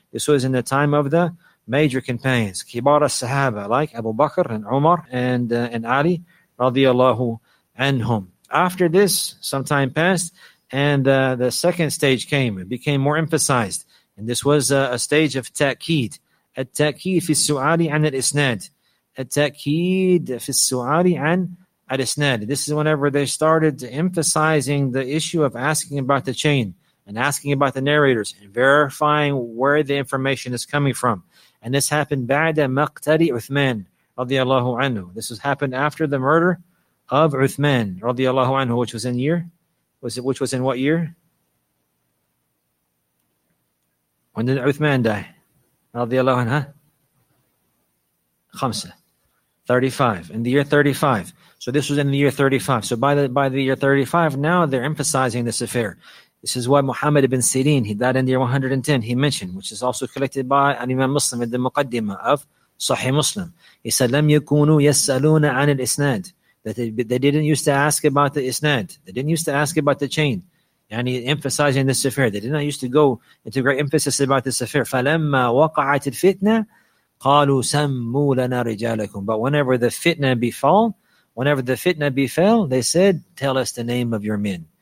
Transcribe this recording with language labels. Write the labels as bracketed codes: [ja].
[en] This was in the time of the major companions, كبار الصحابة, like Abu Bakr and Umar and Ali, radiallahu anhum. After this, some time passed, and the second stage came. It became more emphasized. And this was a stage of تأكيد. [ar] التأكيد في السؤال عن الإسناد. التأكيد في السؤال عن الإسناد. [en] This is whenever they started emphasizing the issue of asking about the chain and asking about the narrators and verifying where the information is coming from. And this happened [ar] بعد مقتل عثمان رضي الله عنه. [en] This has happened after the murder of عثمان [ar] رضي الله عنه, [en] which was in year? Was it, which was in what year? When did Uthman die? Radiallahu anhu, huh? Khamsa. 35. In the year 35. So this was in the year 35. So by the year 35, now they're emphasizing this affair. This is why Muhammad ibn Sirin, he died in the year 110, he mentioned, which is also collected by an Imam Muslim in the Muqaddimah of Sahih Muslim. He said, [ar] لم يكونوا يسألون عن الإسناد. [en] That they didn't used to ask about the isnad. They didn't used to ask about the chain. And he emphasizing this affair. They did not used to go into great emphasis about this affair. [ar] فَلَمَّا وَقَعَتِ الْفِتْنَةِ قَالُوا سَمُّوا لَنَا رِجَالَكُمْ. [en] But whenever the fitna befall, whenever the fitna befell, they said, tell us the name of your men.